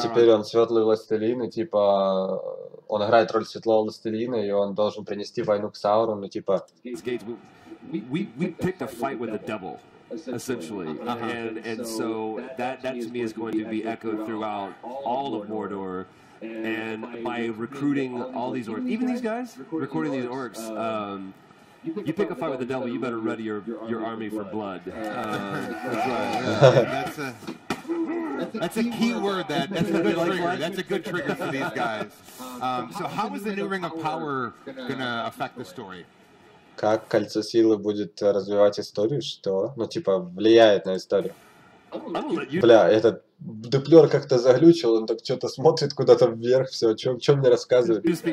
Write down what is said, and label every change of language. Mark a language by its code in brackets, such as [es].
[ru] Теперь он светлый властелин, и типа он играет роль светлого властелина, и он должен принести войну к Саурону, типа. [en] We picked a fight with the devil, essentially, and so that to me is going to be echoed throughout all of Mordor, and by recruiting all these orcs, even these guys, recording these orcs. You pick a fight with the devil, you better ready your army for blood. That's a key word. That's a good trigger. That's a good trigger for these guys. So how is the new ring of power gonna affect the story? [ru] Как кольцо силы будет развивать историю? Что? Ну типа влияет на историю. Бля, этот дуплер как-то заглючил, он так что-то смотрит куда-то вверх, все, что мне рассказывает?